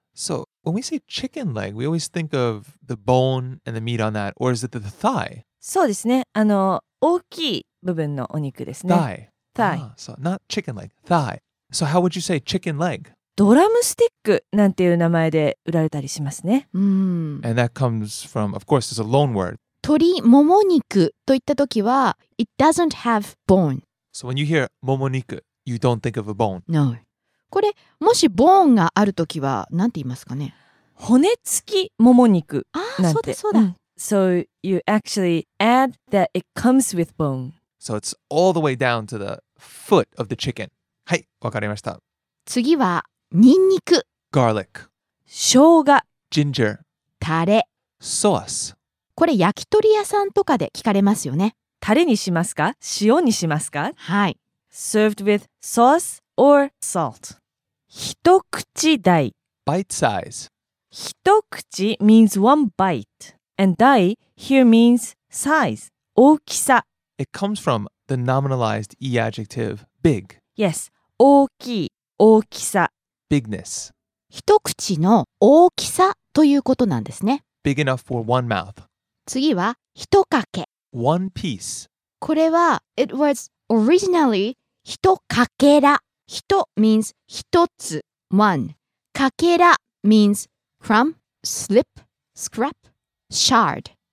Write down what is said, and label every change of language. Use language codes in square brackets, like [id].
[en] So, when we say chicken leg, we always think of the bone and the meat on that. Or is it the thigh? [ja] そうですね。あの、大きい部分のお肉ですね。 [en] Thigh. Thigh. So, not chicken leg. Thigh. So, how would you say chicken leg? [ja] ドラムスティックなんていう名前で売られたりしますね。 [en] And that comes from, of course, it's a loan word. [ja] 鶏もも肉といったときは、 [en] it doesn't have bone. So when you hear もも肉, you don't think of a bone. No. [ja] これ、もしボーンがあるときは、なんて言いますかね。骨付きもも肉なんて。ああ、そうだそうだ。 [en] So you actually add that it comes with bone. So it's all the way down to the foot of the chicken. [ja] はい、わかりました。次は、ニンニク [en] garlic [ja] 生姜 [en] ginger [ja] タレ [en] sauce [ja] これ焼き鳥屋さんとかで聞かれますよねタレにしますか塩にしますかはい [en] served with sauce or salt 一口大 bite size 一口 means one bite and 大 here means size 大きさ it comes from the nominalized e adjective big [ja] yes 大きい大きさ [en] Bigness. [ja] 一口の大きさということなんですね。 [en] Big enough for one mouth. [ja] 次は一かけ。 [en] One piece. [ja] これは [en] it was originally 一かけら。一 means 一つ one. かけら means crumb, slip, scrap, shard.